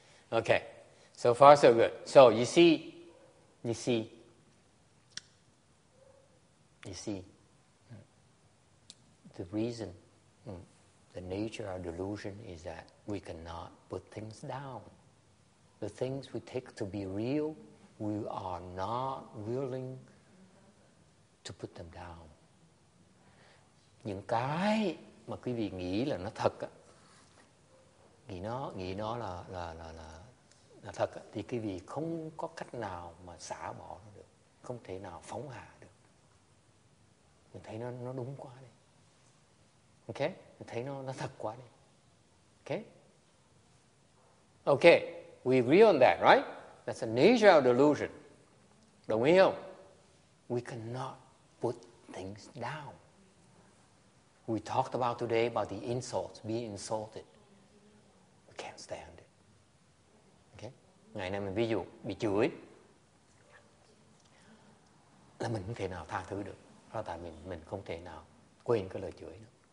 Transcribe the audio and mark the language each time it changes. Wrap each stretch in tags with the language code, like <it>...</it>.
<en>Okay, so far so good. So you see, the reason, the nature of delusion is that we cannot put things down. The things we take to be real, we are not willing to put them down.</en> <vi>Những cái mà quý vị nghĩ là nó thật á, nghĩ nó là thật á, thì quý vị không có cách nào mà xả bỏ nó được, không thể nào phóng hạ được. Mình thấy nó đúng quá đi. Ok? Mình thấy nó thật quá đi. Ok?</vi> <en>Ok, we agree on that, right? That's the nature of delusion.</en> <vi>Đồng ý không?</vi> <en>We cannot put things down. We talked about today about the insults, being insulted. We can't stand it. Okay?</en> <vi>Ngày nay mình ví dụ, bị chửi. Là mình không thể nào tha thứ được. Rõ tại mình không thể nào quên cái lời chửi nữa.</vi>